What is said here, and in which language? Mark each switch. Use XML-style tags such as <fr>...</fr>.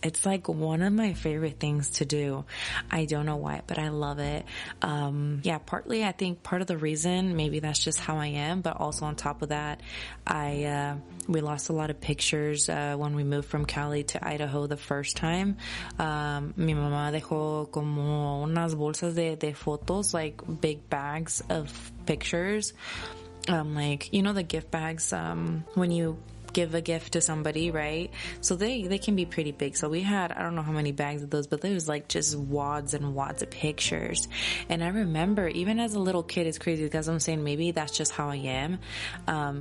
<en>It's like one of my favorite things to do. I don't know why, but I love it. Yeah, partly I think part of the reason, maybe that's just how I am, but also on top of that, we lost a lot of pictures when we moved from Cali to Idaho the first time.</en> <es>Mi mamá dejó como unas bolsas de fotos,</es> <en>like big bags of pictures. Like, you know, the gift bags when you give a gift to somebody, right? So they can be pretty big. So we had, I don't know how many bags of those, but there was like just wads and wads of pictures. And I remember, even as a little kid, it's crazy because I'm saying maybe that's just how I am.</en>